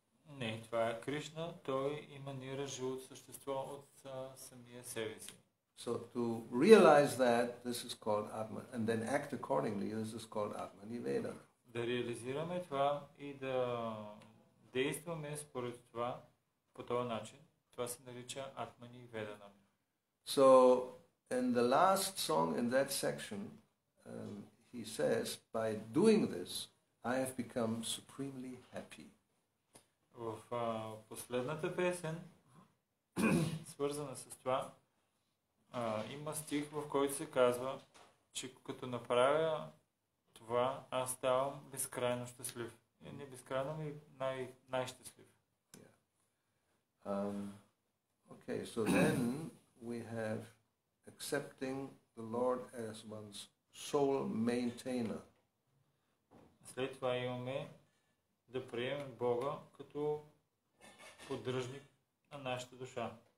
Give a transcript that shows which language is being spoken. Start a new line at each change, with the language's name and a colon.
Bulgarian: Не, това е Кришна, той иманира живо същество от самия себе си.
English: So to realize that this is called Atman and then act accordingly, this is called Atmaniveda.
Bulgarian: Да реализираме това и да действаме според това по този начин, това се нарича Атманиведана.
English: So in the last song in that section, he says, by doing this, I have become supremely happy.
Bulgarian: В последната песен, свързана с това, има стих, в който се казва, че като направя това, аз ставам безкрайно щастлив. Не безкрайно, ми най-щастлив.
English: Yeah. Okay, so then we have accepting the Lord as one's soul maintainer.
Bulgarian: След това имаме да приемем Бога като поддръжник на нашата душа.